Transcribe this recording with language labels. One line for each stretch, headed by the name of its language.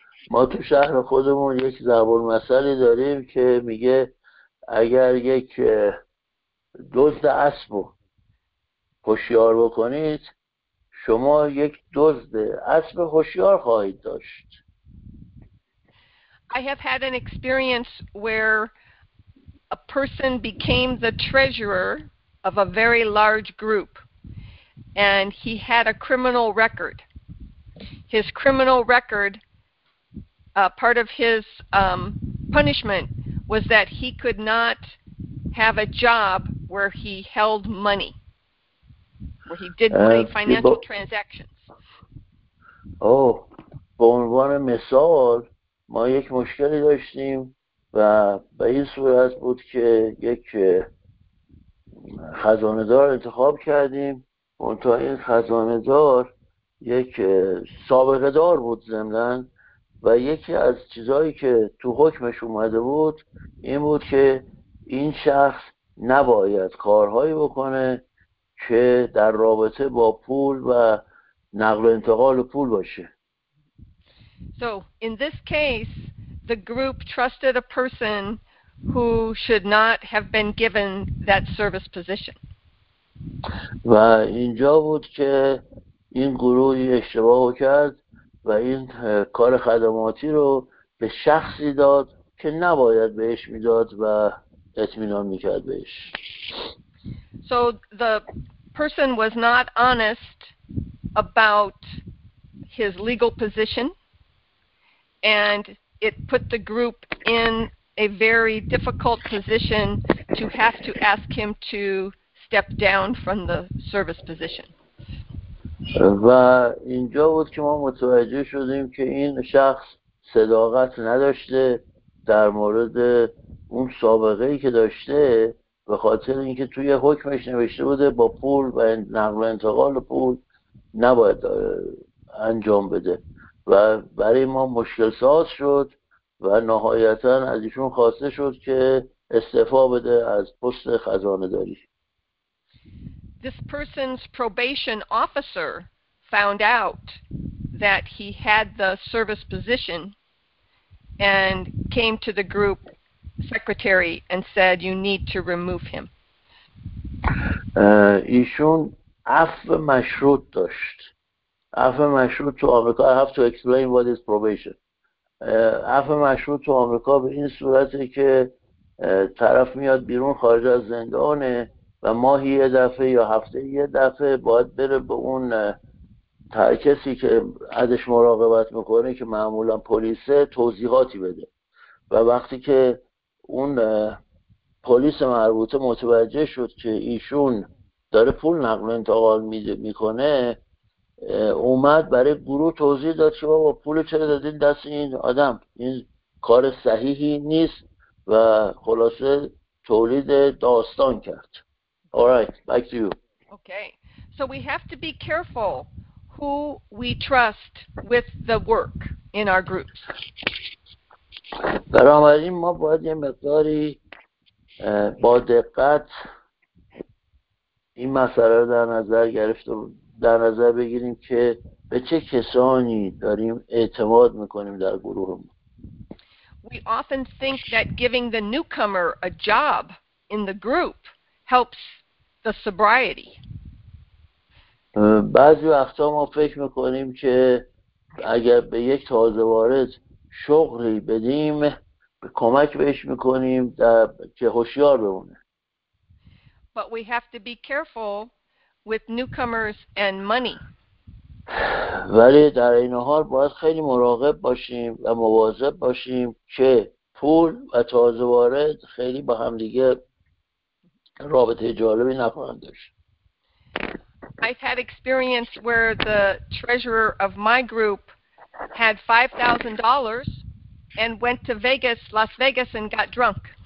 Persian: ما تو شهر خودمون یک ضرب المثلی داریم که میگه اگر یک دزد اسب رو هوشیار بکنید شما یک دزد اسب هوشیار خواهید داشت.
English: I have had an experience where a person became the treasurer of a very large group and he had a criminal record. His criminal record, part of his punishment was that he could not have a job where he held money, where he did money financial transactions.
Persian: Oh, به عنوان مثال ما یک مشکلی داشتیم و به این صورت بود که یک خزانه‌دار انتخاب کردیم منتها این خزانه‌دار یک سابقه دار بود زمین و یکی از چیزهایی که تو حکمش اومده بود این بود که این شخص نباید کارهایی بکنه که در رابطه با پول و نقل و انتقال پول باشه.
English: So in this case the group trusted a person who should not have been given that service position.
Persian: و اینجا بود که این گروه اشتباه کرد و این کار خدماتی رو به شخصی داد که نباید بهش میداد و اطمینان میکرد بهش.
English: So the person was not honest about his legal position, and it put the group in a very difficult position to have to ask him to step down from the service position.
Persian: و اینجا بود که ما متوجه شدیم که این شخص صداقت نداشته در مورد اون سابقه‌ای که داشته، به خاطر اینکه توی حکمش نوشته بوده با پول و نقل و انتقال پول نباید انجام بده، و برای ما مشکل ساز شد و نهایتا از ایشون خواسته شد که استعفا بده از پست خزانه داری.
English: This person's probation officer found out that he had the service position and came to the group secretary and said, you need to remove him.
Persian: ایشون عفو مشروط داشت. عفو مشروط تو آمریکا.
English: I have to explain what is probation.
Persian: عفو مشروط تو آمریکا به این صورته که طرف میاد بیرون خارج از زندانه و ماهی یه دفعه یا هفته یه دفعه باید بره به اون کسی که ازش مراقبت میکنه که معمولا پلیسه توضیحاتی بده، و وقتی که اون پلیس مربوطه متوجه شد که ایشون داره پول نقل و انتقال میکنه، اومد برای گروه توضیح داد که بابا پول چرا دادین دست این آدم، این کار صحیحی نیست، و خلاصه تولید داستان کرد.
English: All right, back to you. Okay, so we have to be careful who we trust with the work in our groups.
Persian: بنابراین ما باید یه مقداری با دقت این مسئله رو در نظر گرفت و در نظر بگیریم که به چه کسانی داریم اعتماد میکنیم در گروهمون.
English: We often think that giving the newcomer a job in the group helps the sobriety.
Persian: بعضی وقتا ما فکر میکنیم که اگر به یک تازه وارد شغلی بدیم به کمک بهش میکنیم در که هوشیار بمونه.
English: But we have to be careful with newcomers and money.
Persian: ولی در این حال باید خیلی مراقب باشیم و مواظب باشیم که پول و تازه وارد خیلی با هم دیگه رابطه جالبی نخواهند داشت.
English: I've had experience where the treasurer of my group had $5,000 and went to Vegas, Las Vegas, and got drunk.